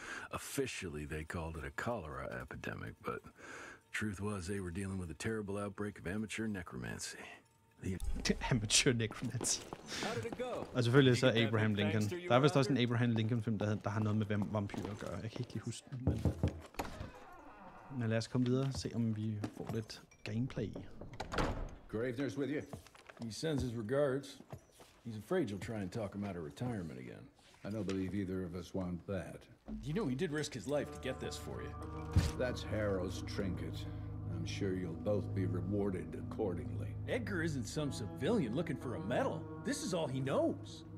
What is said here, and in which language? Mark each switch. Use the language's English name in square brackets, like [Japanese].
[English] Officially, they called it a cholera epidemic, but truth was, they were dealing with a terrible outbreak of amateur necromancy. Amateur necromancy. [Danish] Og selvfølgelig så Abraham Lincoln. Der er vist også en Abraham Lincoln-film, der har noget med vampyrer at gøre. Jeg kan ikke lige huske den, men lad os komme videre og se, om vi får lidt gameplay. [English] Gravener's with you. He sends his regards. He's afraid you'll try and talk him out of retirement again. I don't believe either of us want that. You know, he did risk his life to get this for you. That's Harrow's trinket. I'm sure you'll both be rewarded accordingly. Edgar isn't some civilian looking for a medal. This is all he knows.